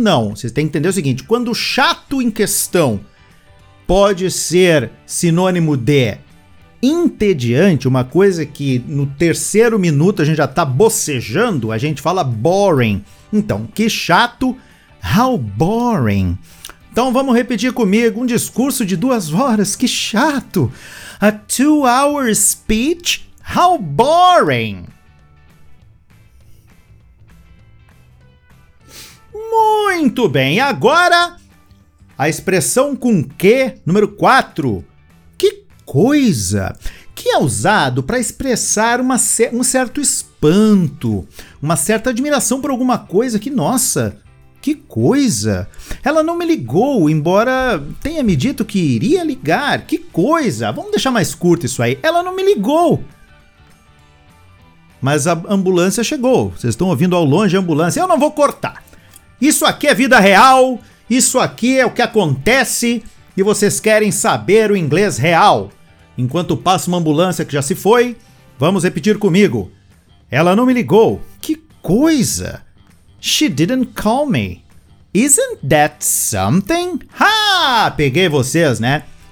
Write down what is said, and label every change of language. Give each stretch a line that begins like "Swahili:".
Portuguese: Não, vocês têm que entender o seguinte, quando o chato em questão pode ser sinônimo de entediante, uma coisa que no terceiro minuto a gente já tá bocejando, a gente fala boring. Então, que chato,
English: how boring.
Portuguese: Então vamos repetir comigo, um discurso de 2 horas, que chato.
English: A 2-hour speech, how boring.
Portuguese: Muito bem, agora a expressão com que, número 4. Coisa que é usado para expressar um certo espanto, uma certa admiração por alguma coisa que, nossa, que coisa. Ela não me ligou, embora tenha me dito que iria ligar. Que coisa. Vamos deixar mais curto isso aí. Ela não me ligou. Mas a ambulância chegou. Vocês estão ouvindo ao longe a ambulância. Eu não vou cortar. Isso aqui é vida real. Isso aqui é o que acontece. E vocês querem saber o inglês real. Enquanto passa uma ambulância que já se foi, vamos repetir comigo. Ela não me ligou. Que coisa!
English: She didn't call me. Isn't that something? Ha!
Portuguese: Peguei vocês, né?